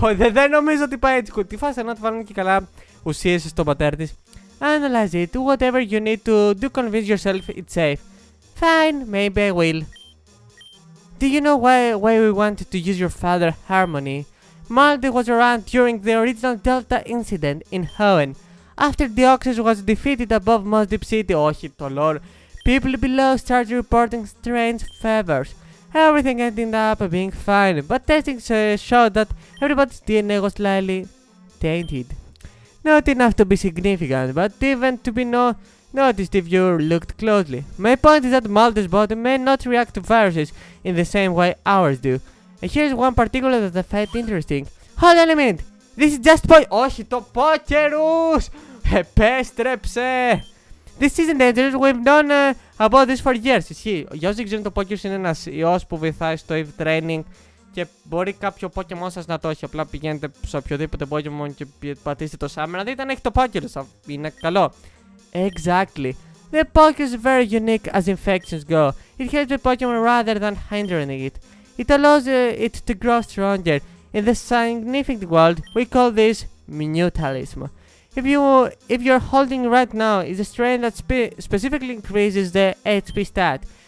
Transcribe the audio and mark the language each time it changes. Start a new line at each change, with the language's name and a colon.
Greek: Δεν νομίζω ότι πάει έτσι. Τι φάση, να του βάλουν και καλά ουσίες στον πατέρα της.
English: Analyze it. Whatever you need to do, convince yourself it's safe. Fine, maybe I will. Do you know why we wanted to use your father, Harmony? Maldi was around during the original Delta incident in Hoenn. After the Deoxys was defeated above Mos Deep City,
Greek: όχι το lore.
English: People below started reporting strange fevers. Everything ended up being fine, but testing showed that everybody's DNA was slightly tainted. Not enough to be significant, but even to be noticed if you looked closely. My point is that Mulder's body may not react to viruses in the same way ours do. And here's one particular that I find interesting. Hold on a minute! This is just
Greek: Όχι, το Pokerus! Επέστρεψε!
English: This isn't dangerous, we've known about this for years.
Greek: Ισχύει. Για όσοι ξέρουν, το Pokerus είναι ένας ιός που βοηθάει στο Eve Training και μπορεί κάποιο Pokémon σας να το έχει. Απλά πηγαίνετε σε οποιοδήποτε Pokémon και πατήστε το Summer. Να δείτε αν έχει το Pokerus. Είναι καλό.
English: Exactly. The Pokerus is very unique as infections go. It helps the Pokémon rather than hindering it. It allows it to grow stronger. In the scientific world, we call this mutualism. If you're holding right now is a strain that specifically increases the HP stat.